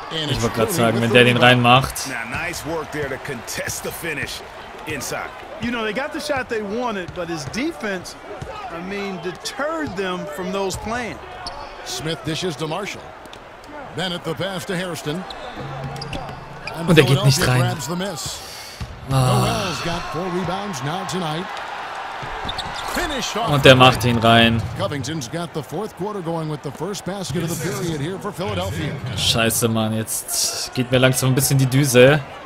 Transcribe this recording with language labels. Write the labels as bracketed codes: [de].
[de] Ich wollte gerade sagen, wenn der den reinmacht. [en] Nice work there to contest the finish inside. You know, they got the shot they wanted, but his defense, I mean, deterred them from those plans. Smith dishes to Marshall. Bennett the pass to Hairston. [de] Und er geht nicht rein. [en] Noel's got 4 rebounds now tonight. [de] Und der macht ihn rein. [en] Covington's got the fourth quarter going with the first basket of the period here for Philadelphia. [de] Scheiße, Mann, jetzt geht mir langsam ein bisschen die Düse.